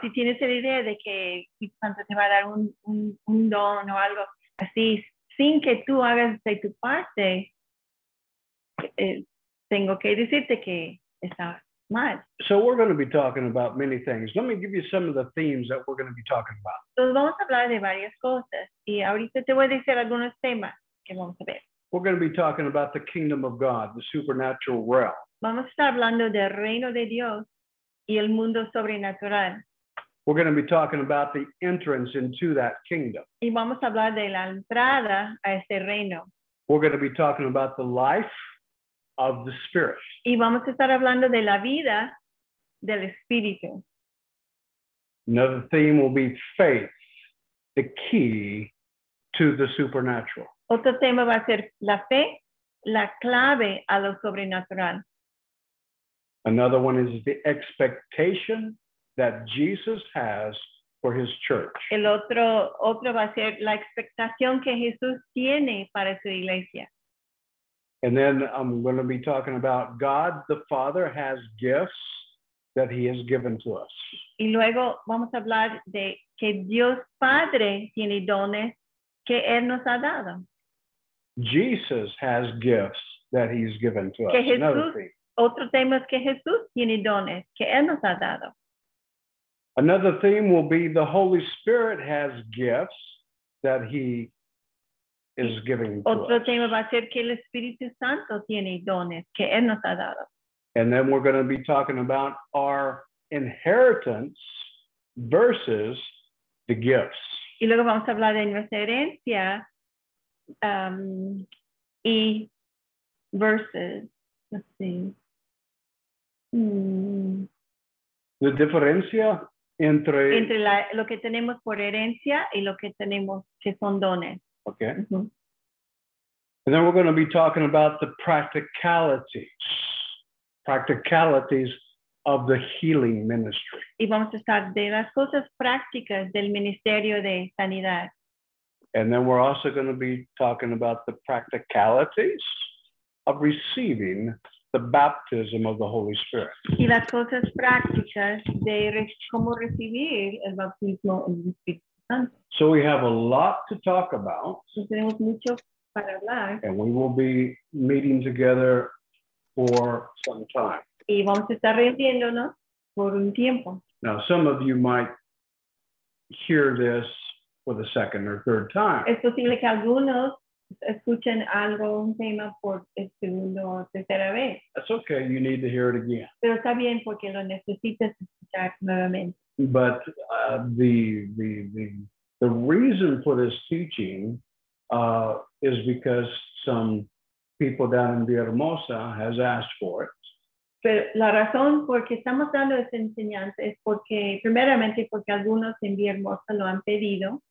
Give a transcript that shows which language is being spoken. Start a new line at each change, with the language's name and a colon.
Spanish: Si tienes la idea de que Santo te va a dar un don o algo así, sin que tú hagas de tu parte, tengo que decirte que está mal.
English: So we're going to be talking about many things. Let me give you some of the themes that we're going to be talking about.
Spanish: Entonces vamos a hablar de varias cosas. Y ahorita te voy a decir algunos temas que vamos a ver.
English: We're going to be talking about the kingdom of God, the supernatural realm.
Spanish: Vamos a estar hablando del reino de Dios y el mundo sobrenatural.
English: We're going to be talking about the entrance into that kingdom.
Spanish: Y vamos a hablar de la entrada a ese reino.
English: We're going to be talking about the life of the Spirit.
Spanish: Y vamos a estar hablando de la vida del Espíritu.
English: Another theme will be faith, the key to the supernatural.
Spanish: Otro tema va a ser la fe, la clave a lo sobrenatural.
English: Another one is the expectation that Jesus has for his church.
Spanish: El otro va a ser la expectación que Jesús tiene para su iglesia.
English: And then I'm going to be talking about God the Father has gifts that he has given to us.
Spanish: Y luego vamos a hablar de que Dios Padre tiene dones que él nos ha dado.
English: Jesus has gifts that he's given to
Spanish: que
English: us.
Spanish: Jesús, otro tema es que Jesús tiene dones que él nos ha dado.
English: Another theme will be the Holy Spirit has gifts that he is giving to
Spanish: otro
English: us.
Spanish: Otro tema va a ser que el Espíritu Santo tiene dones que él nos ha dado.
English: And then we're going to be talking about our inheritance versus the gifts.
Spanish: Y luego vamos a hablar de nuestra herencia y versus,
English: let's see.
Spanish: The diferencia entre... Entre la, lo que tenemos por herencia y lo que tenemos que son dones.
English: Okay. Mm-hmm. And then we're going to be talking about the practicalities. Practicalities of the healing ministry.
Spanish: Y vamos a estar de las cosas prácticas del ministerio de sanidad.
English: And then we're also going to be talking about the practicalities of receiving the baptism of the Holy Spirit.
Spanish: Y las cosas prácticas de cómo recibir el bautismo en el Espíritu Santo.
English: So we have a lot to talk about.
Spanish: Pues tenemos mucho para hablar.
English: And we will be meeting together for some time.
Spanish: Y vamos a estar reuniéndonos por un tiempo.
English: Now, some of you might hear this for the second or third time.
Spanish: Es posible que algunos escuchen algo, un tema por el segundo o tercera vez.
English: That's okay, you need to hear it again.
Spanish: Pero está bien porque lo necesitas escuchar nuevamente.
English: But the reason for this teaching is because some people down in Villahermosa has asked for it.
Spanish: Pero la razón por qué estamos dando esta enseñanza es porque, primeramente, porque algunos en Villahermosa lo han pedido.